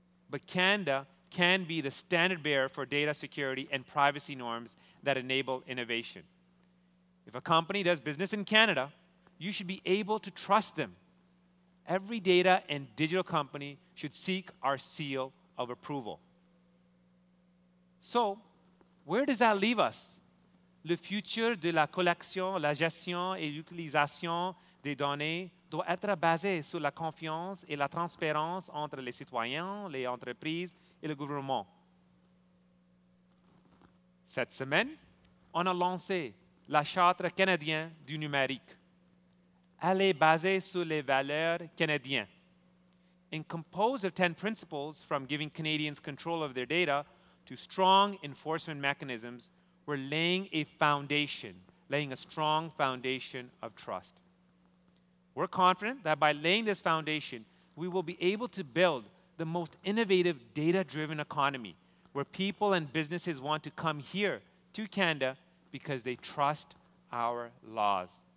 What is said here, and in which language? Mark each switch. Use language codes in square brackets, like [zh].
[en] But Canada can be the standard bearer for data security and privacy norms that enable innovation. If a company does business in Canada, you should be able to trust them. Every data and digital company should seek our seal of approval. So, where does that leave us? [fr] Le futur de la collection, la gestion et l'utilisation des données doit être basé sur la confiance et la transparence entre les citoyens, les entreprises et le gouvernement. Cette semaine, on a lancé la Charte canadienne du numérique. Elle est basée sur les valeurs canadiennes. [en] And composed of 10 principles from giving Canadians control of their data to strong enforcement mechanisms, we're laying a strong foundation of trust. We're confident that by laying this foundation, we will be able to build the most innovative data-driven economy where people and businesses want to come here to Canada because they trust our laws.